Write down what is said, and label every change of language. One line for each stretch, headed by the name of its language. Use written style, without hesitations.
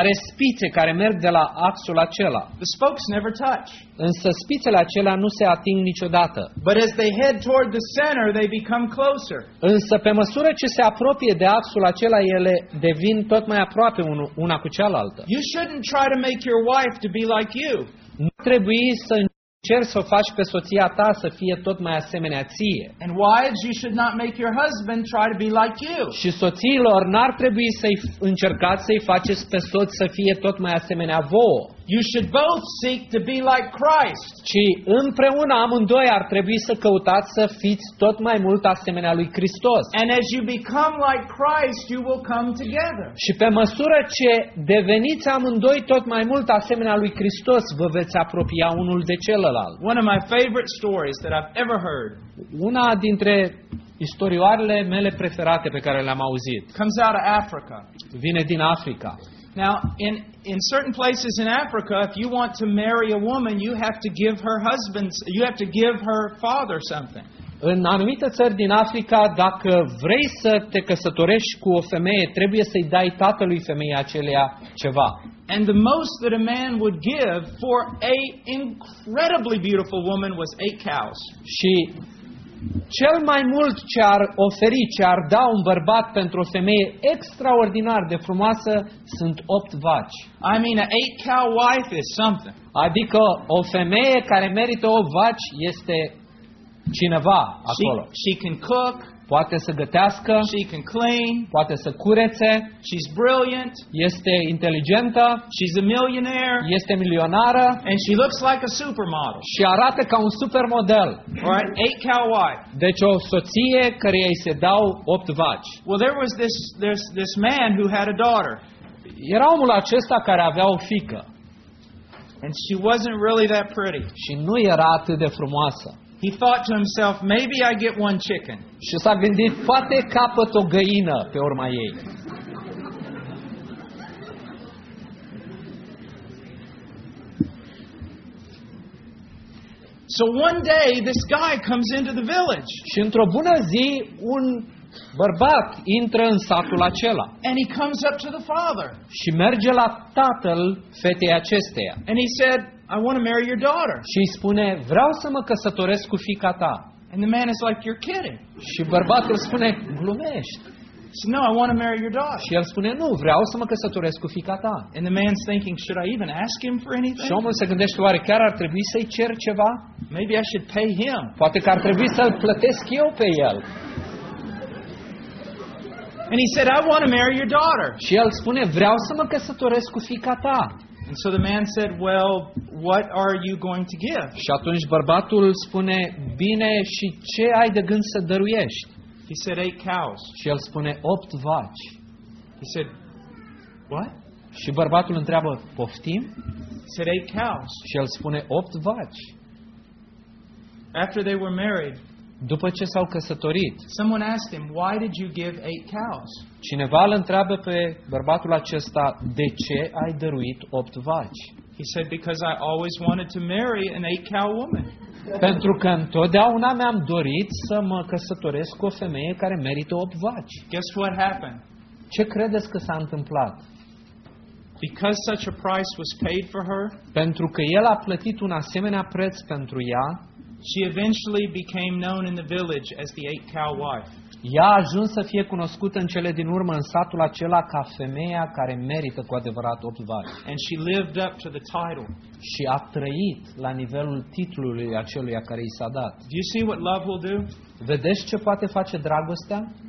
Romanian: Are spițe care merg de la axul acela.
English: The spokes never touch.
Romanian: Însă spițele acelea nu se ating niciodată.
English: But as they head toward the center, they become closer.
Romanian: Însă pe măsură ce se apropie de axul acela, ele devin tot mai aproape una cu cealaltă.
English: You shouldn't try to make your wife to be like you.
Romanian: Nu trebuie să încerci să o faci pe soția ta să fie tot mai asemenea ție.
English: And wives, you should not make your husband try to be like you.
Romanian: Și soțiilor, n-ar trebui să încercați să-i faceți pe soț să fie tot mai asemenea vouă.
English: You should both seek to be like Christ.
Romanian: Ci împreună amândoi ar trebui să căutați să fiți tot mai mult asemenea lui Hristos.
English: And as you become like Christ, you will come together.
Romanian: Și pe măsură ce deveniți amândoi tot mai mult asemenea lui Hristos, vă veți apropia unul de celălalt.
English: One of my favorite stories that I've ever heard.
Romanian: Una dintre istorioarele mele preferate pe care le-am auzit.
English: Comes out of Africa.
Romanian: Vine din Africa.
English: Now, in certain places in Africa, if you want to marry a woman, you have to give her husband, you have to give her father something.
Romanian: În anumite țări din Africa, dacă vrei să te căsătorești cu o femeie, trebuie să-i dai tatălui femeii aceleia ceva.
English: And the most that a man would give for a incredibly beautiful woman was 8 cows.
Romanian: Și cel mai mult ce ar oferi, ce ar da un bărbat pentru o femeie extraordinar de frumoasă, sunt 8 vaci.
English: I mean, an 8-cow wife is something.
Romanian: Adică o femeie care merită 8 vaci este cineva acolo.
English: She can cook.
Romanian: Poate să gătească.
English: She can clean.
Romanian: Poate să curețe.
English: She's brilliant.
Romanian: Este inteligentă.
English: She's a millionaire.
Romanian: Este milionară.
English: And she looks like a supermodel.
Romanian: Și arată ca un supermodel.
English: Right? 8-cow wife.
Romanian: Deci o soție căreia îi se dau 8 vaci.
English: Well, there was this man who had a daughter.
Romanian: Era omul acesta care avea o fiică.
English: And she wasn't really that pretty.
Romanian: Și nu era atât de frumoasă.
English: He thought to himself, maybe I get one chicken.
Romanian: Și s-a gândit, poate capăt o găină pe urma ei.
English: So one day this guy comes into the village.
Romanian: Și într-o bună zi un bărbat intră în satul acela.
English: And he comes up to the father.
Romanian: Și merge la tatăl fetei acesteia.
English: And he said, I want to marry your daughter.
Romanian: Și spune, vreau să mă căsătoresc cu fiica ta.
English: And the man is like, you're kidding.
Romanian: Și bărbatul spune, glumești.
English: So, no, I want to marry your daughter.
Romanian: Și el spune, nu, vreau să mă căsătoresc cu fiica ta.
English: And the man's thinking, should I even ask him for anything?
Romanian: Și omul se gândește, oare chiar ar trebui să-i cer ceva?
English: Maybe I should pay him.
Romanian: Poate că ar trebui să-l plătesc eu pe el.
English: And he said, I want to marry your daughter.
Romanian: Și el spune, vreau să mă căsătoresc cu fiica ta.
English: And so the man said, well, what are you going to give?
Romanian: Și atunci bărbatul spune, bine, și ce ai de gând să dăruiești?
English: He said, 8 cows.
Romanian: Și el spune, 8 vaci.
English: He said, what?
Romanian: Și bărbatul întreabă, poftim?
English: He said, 8 cows.
Romanian: Și el spune, 8 vaci.
English: After they were married,
Romanian: după ce s-au căsătorit,
English: someone asked him, why did you give 8 cows?
Romanian: Cineva îl întreabă pe bărbatul acesta, de ce ai dăruit 8 vaci?
English: He said, because I always wanted to marry an 8-cal woman.
Romanian: Pentru că întotdeauna mi-am dorit să mă căsătoresc cu o femeie care merită 8 vaci.
English: Guess what happened?
Romanian: Ce credeți că s-a întâmplat?
English: Because such a price was paid for her,
Romanian: pentru că el a plătit un asemenea preț pentru ea,
English: she eventually became known in the village as the 8-cal wife.
Romanian: Ea a ajuns să fie cunoscută în cele din urmă în satul acela ca femeia care merită cu adevărat 8 vaci.
English: And she lived up to the title.
Romanian: Și a trăit la nivelul titlului aceluia care i s-a dat.
English: Do you see what love will do?
Romanian: Vedeți ce poate face dragostea?